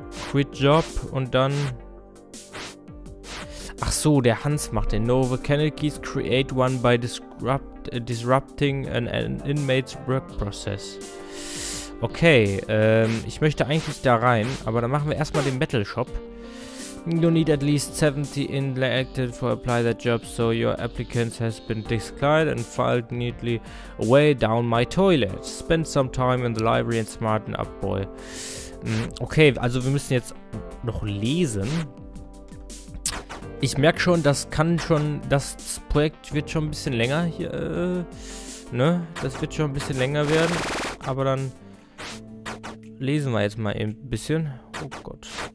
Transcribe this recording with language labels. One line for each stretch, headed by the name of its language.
German: Quit Job und dann. Ach so, der Hans macht den.
English: No mechanics create one by disrupting an inmate's work process.
German: Okay, ich möchte eigentlich da rein, aber dann machen wir erstmal den Metal Shop.
English: You need at least 70 intellected for apply that job, so your applicant has been declined and filed neatly away down my toilet. Spend some time in the library and smarten up, boy.
German: Okay, also wir müssen jetzt noch lesen. Ich merke schon, das Projekt wird schon ein bisschen länger hier, ne? Das wird schon ein bisschen länger werden. Aber dann lesen wir jetzt mal eben ein bisschen. Oh Gott.